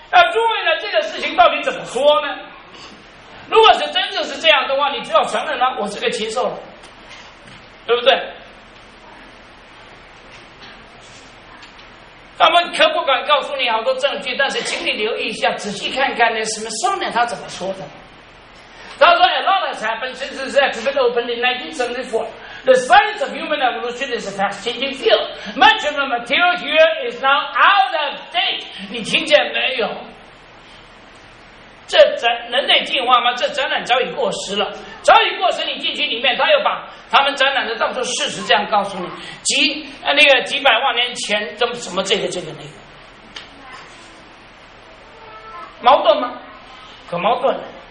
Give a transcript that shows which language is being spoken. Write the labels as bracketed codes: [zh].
[zh] 那诸位呢，这个事情到底怎么说呢？如果是真正是这样的话，你只要承认了我是个禽兽，对不对？他们可不敢告诉你好多证据，但是请你留意一下，仔细看看呢，什么商量他怎么说的。他说 [en] ：“A lot has happened since the accident opened in 1974. The science of human evolution is a fast-changing field. Much of the material here is now out of date.” [zh] 你听见没有？这展人类进化吗？这展览早已过时了，早已过时。你进去里面，他又把他们展览的当作事实这样告诉你，几百万年前怎么怎么这个那个，矛盾吗？可矛盾了。